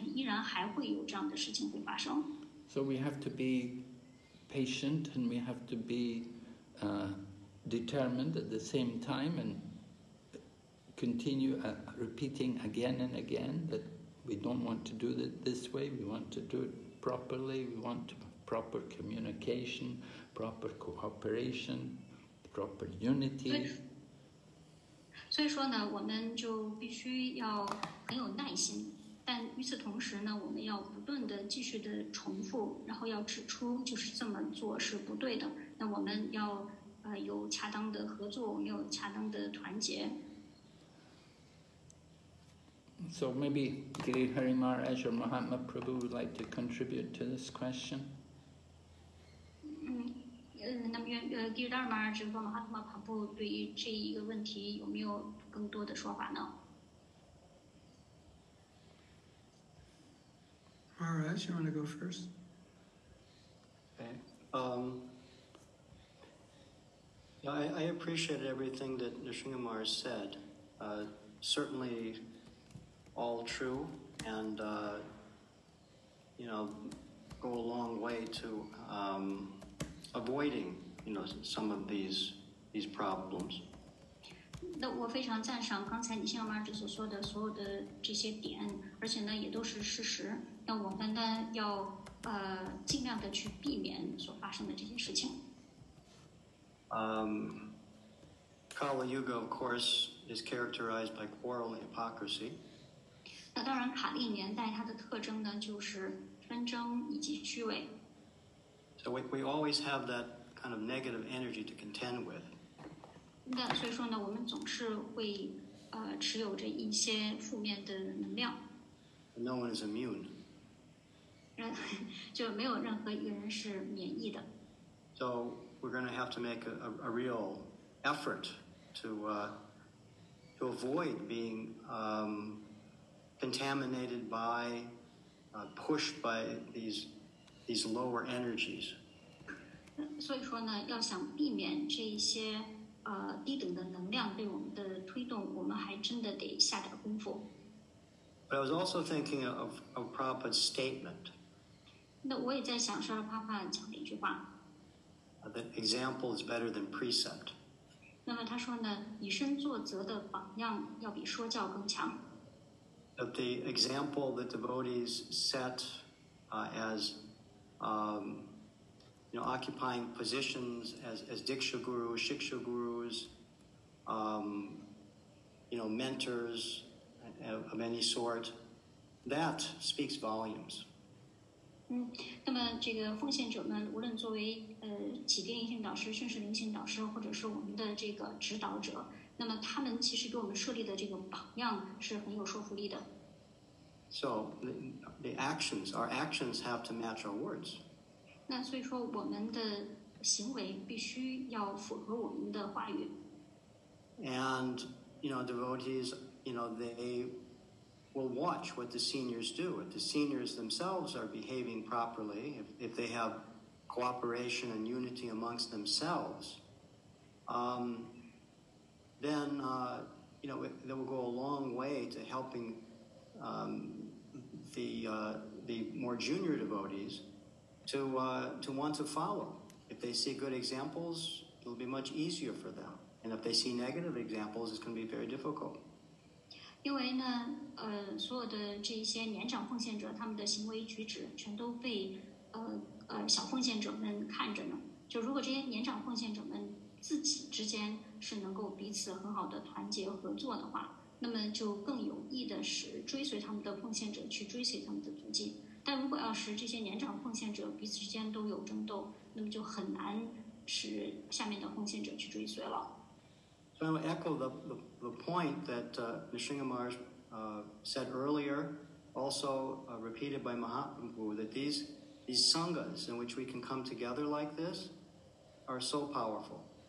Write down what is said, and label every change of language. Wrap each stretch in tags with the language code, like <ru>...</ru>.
<zh>那么，这并不是一个容易完成的，在一起合作共同的完成事情。而且呢，也不要让这个奉献者之间有任何的分派别的这样的情况的出现。但是呢，就即便是我们这样不断的在讲，但是依然还会有这样的事情会发生。</zh> <en>So we have to be patient, and we have to be determined at the same time, and continue repeating again and again that we don't want to do it this way, we want to do it properly, we want proper communication, proper cooperation, proper unity.</en> <zh>所以说呢，我们就必须要很有耐心，但与此同时呢，我们要不断的继续的重复，然后要指出就是这么做是不对的，那我们要有恰当的合作，我们有恰当的团结。</zh> <en>So maybe Giri Hari Maharaj or Mahatma Prabhu would like to contribute to this question.</en> <zh>Giridhar Maharaj 和 Mahatma Prabhu 对于这一个问题有没有更多的说法呢？</zh> <en>Maharaj, you want to go first? I appreciate everything that Nrisimha Maharaj said. Certainly all true, and go a long way to avoiding some of these problems.</en> <zh>那我非常赞赏刚才Nrisimha Maharaj所说的所有的这些点，而且呢也都是事实。那我们呢要尽量的去避免所发生的这些事情。</zh> <en>Kali Yuga, of course, is characterized by quarrel and hypocrisy.</en> <zh>那当然，卡利年代它的特征呢就是纷争以及虚伪。</zh> <en>So we always have that kind of negative energy to contend with.</en> <zh>那所以说呢，我们总是会持有着一些负面的能量。</zh> <en>No one is immune.</en> <zh>就没有任何一个人是免疫的。</zh> <en>So we're going to have to make a real effort to avoid being contaminated by, pushed by these lower energies.</en> <zh>所以说呢，要想避免这些低等的能量被我们的推动，我们还真的得下点功夫。</zh> <en>But I was also thinking of Prabhupada's statement.</en> <zh>那我也在想，说帕帕讲的一句话。</zh> <en>That example is better than precept.</en> <zh>那么他说呢，以身作则的榜样要比说教更强。</zh> <en>That the example that devotees set occupying positions as diksha gurus, shiksha gurus, mentors of any sort, that speaks volumes.</en> <zh>那么这个奉献者们，无论作为起定一性导师、宣示灵性导师，或者是我们的这个指导者，那么他们其实给我们设立的这个榜样是很有说服力的。</zh> <en>So the actions, our actions have to match our words.</en> <zh>那所以说我们的行为必须要符合我们的话语。</zh> <en>And, devotees, they will watch what the seniors do. If the seniors themselves are behaving properly, if they have cooperation and unity amongst themselves, they will go a long way to helping the more junior devotees to want to follow. If they see good examples, it will be much easier for them. And if they see negative examples, it's going to be very difficult.</en> <zh>因为呢，所有的这些年长奉献者，他们的行为举止全都被小奉献者们看着呢。就如果这些年长奉献者们自己之间是能够彼此很好的团结合作的话，那么就更有益的是追随他们的奉献者去追随他们的足迹。但如果要是这些年长奉献者彼此之间都有争斗，那么就很难使下面的奉献者去追随了。</zh> <en>So I echo the point that Nrisimha Maharaj said earlier, also repeated by Mahaprabhu, that these sanghas in which we can come together like this are so powerful.</en>